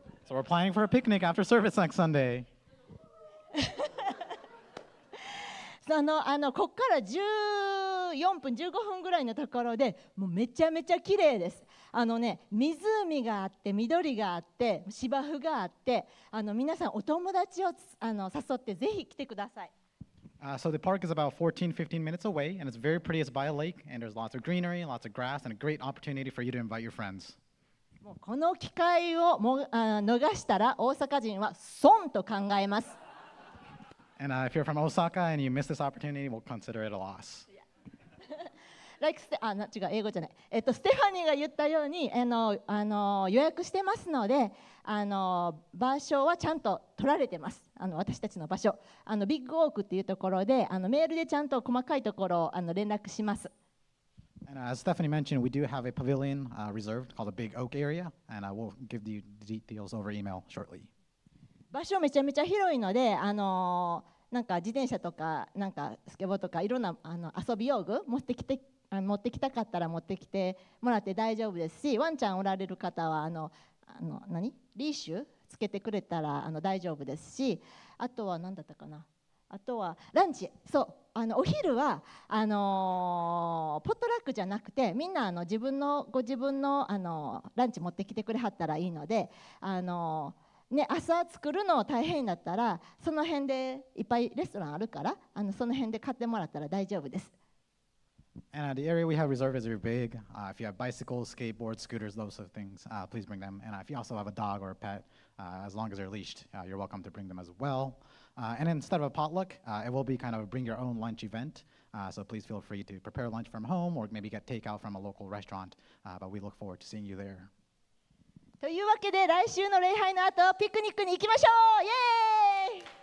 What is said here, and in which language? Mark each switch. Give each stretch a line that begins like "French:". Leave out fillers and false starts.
English: So we're planning for a picnic after service next Sunday.
Japanese: こっから14分、15分ぐらいのところで、もうめちゃめちゃ綺麗です。湖があって、緑があって、芝生があって、皆さんお友達を誘ってぜひ来てください。
English: So the park is about 14-15 minutes away, and it's very pretty. It's by a lake, and there's lots of greenery, lots of grass, and a great opportunity for you to invite your friends.
Japanese: もうこの機会をも逃したら、大阪人は損と考えます。
English: And if you're from Osaka and you miss this opportunity, we'll consider it a loss. Like,
Japanese: 違う、英語じゃない。ステファニーが言ったように、予約してますので、場所はちゃんと取られてます。私たちの場所。ビッグオークっていうところで、メールでちゃんと細かいところを連絡します。
English: And as Stephanie mentioned, we do have a pavilion reserved called the Big Oak Area, and I will give you the details over email shortly.
Japanese: 場所めちゃめちゃ広いので、なんか自転車とか、なんかスケボーとか、いろんな遊び用具持ってきたかったら持ってきてもらって大丈夫ですし、ワンちゃんおられる方は、何リーシュつけてくれたら大丈夫ですし、あとは何だったかな、あとはランチ、そう、お昼は、ポットラックじゃなくて、みんな自分のご自分の、ランチ持ってきてくれはったらいいので、ね、朝作るの大変だったら、その辺でいっぱいレストランあるから、その辺で買ってもらったら大丈夫です。
English: And the area we have reserved is very big. If you have bicycles, skateboards, scooters, those sort of things, please bring them. And if you also have a dog or a pet, as long as they're leashed, you're welcome to bring them as well. And instead of a potluck, it will be kind of a bring your own lunch event. So please feel free to prepare lunch from home or maybe get takeout from a local restaurant. But we look forward to seeing you there.
Japanese: というわけで来週の礼拝の後ピクニックに行きましょう。